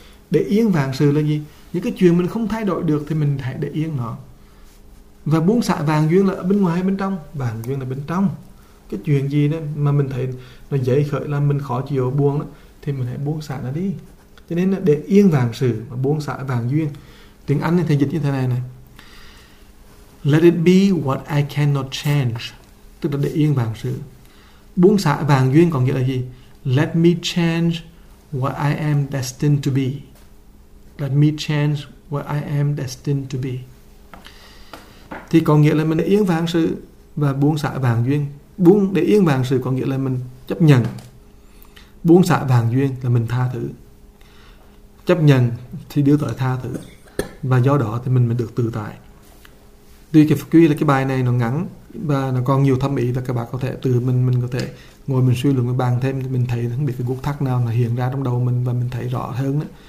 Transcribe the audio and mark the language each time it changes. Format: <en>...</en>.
<vi>Để yên vạn sự là gì? Những cái chuyện mình không thay đổi được thì mình hãy để yên nó. Và buông xả vạn duyên là ở bên ngoài hay bên trong? Vạn duyên là bên trong. Cái chuyện gì đó mà mình thấy nó dễ khởi làm mình khó chịu buông đó, thì mình hãy buông xả nó đi. Cho nên là để yên vạn sự và buông xả vạn duyên. Tiếng Anh thì dịch như thế này này.</vi> <en>Let it be what I cannot change.</en> <vi>Tức là để yên vạn sự. Buông xả vạn duyên có nghĩa là gì?</vi> <en>Let me change what I am destined to be. Let me change what I am destined to be.</en> <vi>Thì có nghĩa là mình để yên vạn sự và buông xả vạn duyên. Buông để yên vạn sự có nghĩa là mình chấp nhận. Buông xả vạn duyên là mình tha thứ. Chấp nhận thì đưa tới tha thứ. Và do đó thì mình mới được tự tại. Tuy là cái bài này nó ngắn và nó còn nhiều thâm ý, và các bạn có thể từ mình có thể ngồi mình suy luận, mình bàn thêm, mình thấy không biết cái gút thắt nào nó hiện ra trong đầu mình và mình thấy rõ hơn đó.</vi>